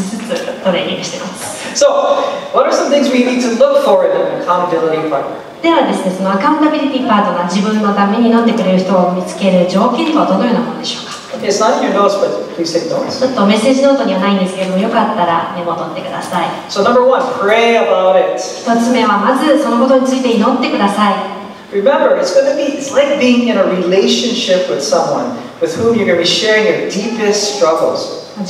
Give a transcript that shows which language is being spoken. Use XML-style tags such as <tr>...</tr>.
<ja>まだ切れますけれども、少しずつトレーニングしてます。</ja> <en>So, what are some things we need to look for in an accountability partner?</en> <ja>ではですね、そのアカウンタビリティパートナー、自分のために祈ってくれる人を見つける条件とはどのようなものでしょうか？</ja> <en>It's not in your notes, but please take notes.</en> <ja>ちょっとメッセージノートにはないんですけども、よかったらメモ取ってください。</ja> <en>So number one, pray about it.</en> <ja>一つ目はまずそのことについて祈ってください。</ja> <en>Remember, it's like being in a relationship with someone with whom you're going to be sharing your deepest struggles.</en>